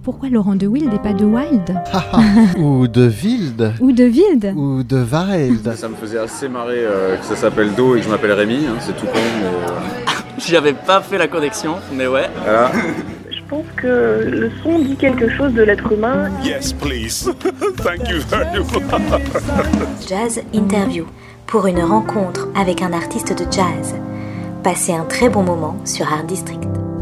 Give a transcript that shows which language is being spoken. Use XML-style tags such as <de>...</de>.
<fr>Laurent de Wilde et pas de Wilde. Ou de Wilde. Ou de Wilde. Ou de Wilde. Ça me faisait assez marrer que ça s'appelle Do et que je m'appelle Rémi, hein, c'est tout con. J'avais pas fait la connexion, mais ouais. Voilà. Je pense que le son dit quelque chose de l'être humain.</fr> <en>Yes, please. Thank you very much. Jazz interview.</en> <fr>pour une rencontre avec un artiste de jazz. Passez un très bon moment sur Art District.</fr>